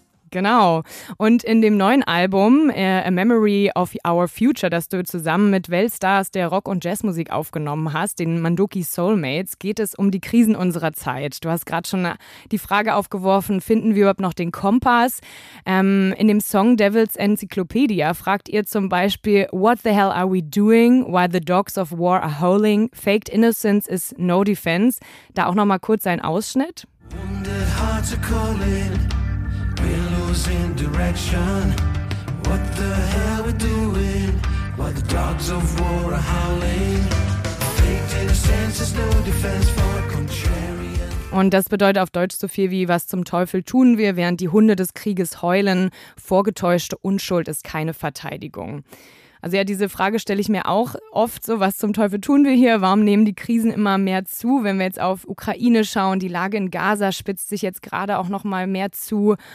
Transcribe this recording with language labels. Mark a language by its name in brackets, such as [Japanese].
[German] Genau. Und in dem neuen Album A Memory of Our Future, das du zusammen mit Weltstars der Rock- und Jazzmusik aufgenommen hast, den Mandoki Soulmates, geht es um die Krisen unserer Zeit. Du hast gerade schon die Frage aufgeworfen, finden wir überhaupt noch den Kompass? In dem Song Devil's Encyclopedia fragt ihr zum Beispiel, [English] what the hell are we doing? Why the dogs of war are howling? Faked innocence is no defense. [German] Da auch nochmal kurz ein Ausschnitt. [English] Wounded hearts are calling. We're losing direction. What the hell we're doing? Why the dogs of war are howling? Faked innocence is no defense for contrarian. [German] Und das bedeutet auf Deutsch so viel wie, was zum Teufel tun wir, während die Hunde des Krieges heulen? Vorgetäuschte Unschuld ist keine Verteidigung. Also ja, diese Frage stelle ich mir auch oft so, was zum Teufel tun wir hier? Warum nehmen die Krisen immer mehr zu? Wenn wir jetzt auf Ukraine schauen, die Lage in Gaza spitzt sich jetzt gerade auch noch mal mehr zu.